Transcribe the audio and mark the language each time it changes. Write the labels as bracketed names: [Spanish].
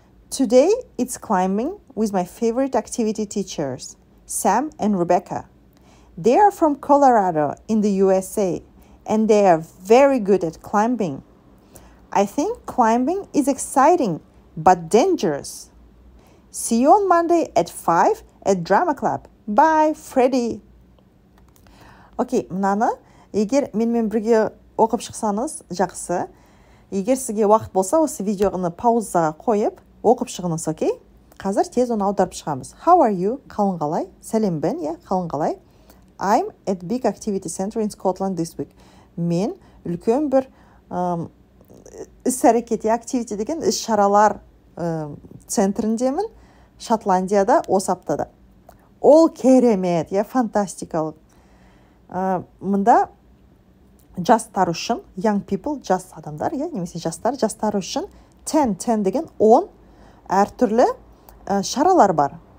[English] Today it's climbing with my favorite activity teachers, Sam and Rebecca. They are from Colorado in the USA and they are very good at climbing. I think climbing is exciting but dangerous. See you on Monday at 5 at Drama Club. Bye, Freddy. [Kazakh] Okay, мынаны, егер менімен бірге оқып шықсаңыз, жақсы. Егер сізге уақыт болса, осы видеоны паузаға қойып, оқып шығыңыз, okay? Қазір тез оны аударып шығамыз. [English] How are you? [Kazakh] Қалың қалай? Сәлем бен, yeah, қалың қалай? [English] I'm at big activity center in Scotland this week. [Kazakh] Мен үлкен бір іс-әрекет, activity деген іс-шаралар центріндемін. Шотландияда осы аптада. Ол керемет, я фантастикалық. Мында жастар үшін, [English] young people, [Kazakh] жас адамдар, я, немесе жастар үшін 10 деген 10 әртүрлі шаралар бар.